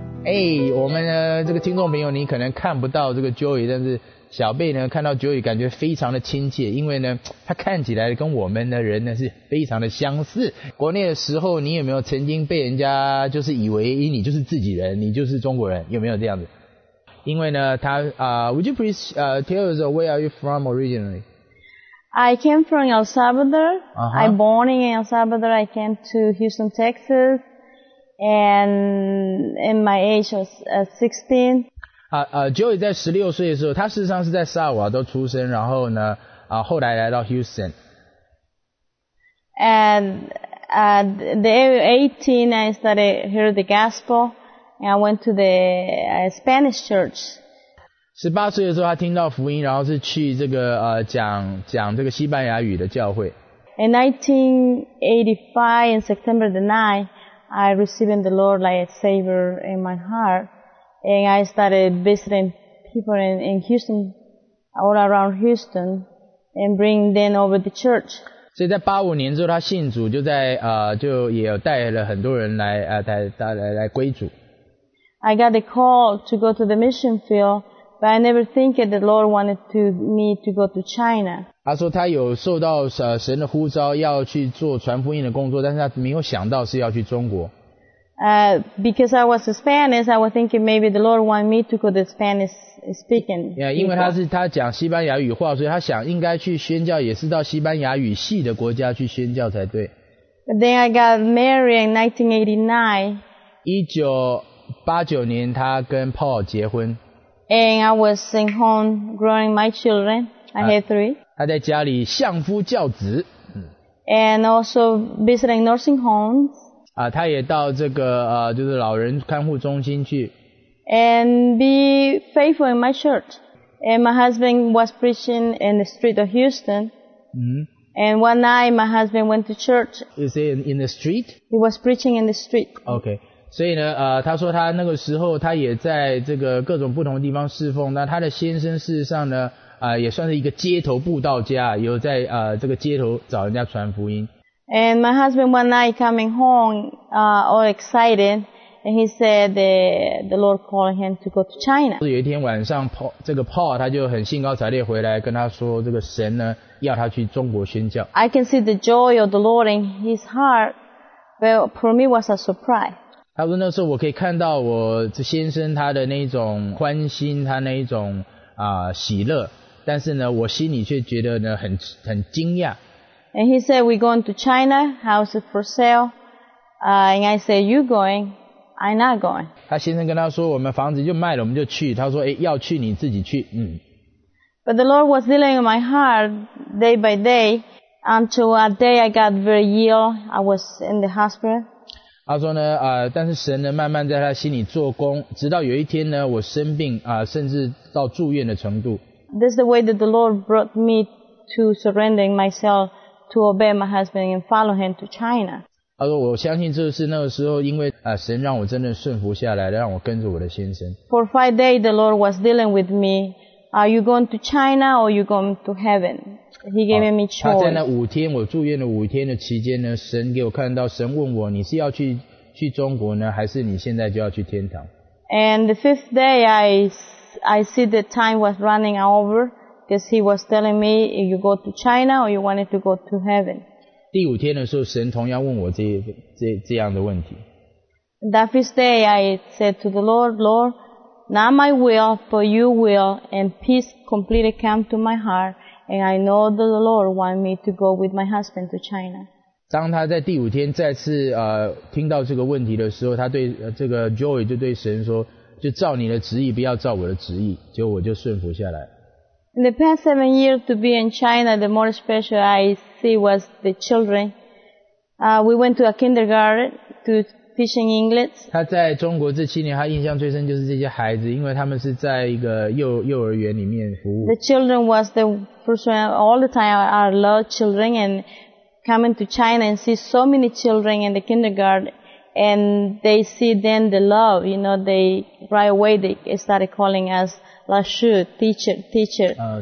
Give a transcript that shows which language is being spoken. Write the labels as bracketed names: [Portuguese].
[Chinese] 哎、hey, ，我们呢这个听众朋友，你可能看不到这个 Joy， 但是小贝呢看到 Joy 感觉非常的亲切，因为呢他看起来跟我们的人呢是非常的相似。国内的时候，你有没有曾经被人家就是以为你就是自己人，你就是中国人，有没有这样子？因为呢他 [English] Would you please tell us where are you from originally？ I came from El Salvador. I born in El Salvador. I came to Houston, Texas. And in my age was 16. [Chinese] Joey 在16岁的时候，他事实上是在萨瓦多出生，然后呢，后来来到 Houston. [English] And at the age of 18, I started hearing the gospel. And I went to the Spanish church. [Chinese] 18岁的时候他听到福音，然后是去这个讲这个西班牙语的教会。 [English] In 1985, in September the 9th, I received the Lord like a savior in my heart. And I started visiting people in Houston, all around Houston, and bring them over the church. [Chinese] 所以在85年之后他信主，就在就也有带了很多人来来归主。 [English] I got the call to go to the mission field. But I never think that the Lord wanted to me to go to China. [Chinese] 他说他有受到神的呼召要去做传福音的工作，但是他没有想到是要去中国。 [English] Because I was Spanish, I was thinking maybe the Lord wanted me to go to Spanish speaking. [Chinese] Yeah, 因为他讲西班牙语话，所以他想应该去宣教，也是到西班牙语系的国家去宣教才对。 [English] But then I got married in 1989. [Chinese] 1989年他跟 Paul 结婚。 [English] And I was in home growing my children. I had three. [Chinese] 他在家里相夫教子。 [English] And also visiting nursing homes. [Chinese] 他也到这个就是老人看护中心去。 [English] And be faithful in my church. And my husband was preaching in the street of Houston. And one night my husband went to church. Is he in the street? He was preaching in the street. Okay. [Chinese] 所以呢，他说他那个时候他也在这个各种不同地方侍奉。那他的先生事实上呢，也算是一个街头布道家，有在这个街头找人家传福音。 [English] And my husband one night coming home, all excited, and he said the Lord called him to go to China. [Chinese] 有一天晚上 Paul 他就很兴高采烈回来跟他说，这个神呢要他去中国宣教。 [English] I can see the joy of the Lord in his heart, but for me was a surprise. [Chinese] 他说那时候我可以看到我这先生他的那种欢心，他那一种喜乐，但是呢我心里却觉得呢很惊讶。 [English] And he said we're going to China, house is for sale. And I said you going, I'm not going. [Chinese] 他先生跟他说我们房子就卖了，我们就去。他说要去你自己去。 [English] But the Lord was dealing in my heart day by day until a day I got very ill. I was in the hospital. [Chinese] 他说呢，但是神呢，慢慢在他心里做工，直到有一天呢，我生病甚至到住院的程度。 [English] This is the way that the Lord brought me to surrendering myself to obey my husband and follow him to China. [Chinese] 他说，我相信这是那个时候，因为神让我真的顺服下来，让我跟着我的先生。 [English] For 5 days, the Lord was dealing with me. Are you going to China or are you going to heaven? He gave me choice. [Chinese] 他在那五天，我住院的五天的期间呢，神给我看到，神问我，你是要去中国呢，还是你现在就要去天堂 [English] ？And the fifth day, I see the time was running over, because he was telling me, you go to China or you wanted to go to heaven. [Chinese] 第五天的时候，神同样问我这样的问题。 [English] That fifth day, I said to the Lord, Lord, not my will, but your will, and peace completely came to my heart. And I know that the Lord wants me to go with my husband to China. [Chinese] 当他在第五天再次听到这个问题的时候，他对这个 Joy 就对神说，就照你的旨意，不要照我的旨意，结果我就顺服下来。 [English] In the past 7 years to be in China, the more special I see was the children. We went to a kindergarten to teach in English. [Chinese] 他在中国这七年，他印象最深就是这些孩子，因为他们是在一个幼儿园里面服务。 [English] The children was the first one, all the time I love children and coming to China and see so many children in the kindergarten And they see then the love, you know, they right away they started calling us Lashu, teacher, teacher.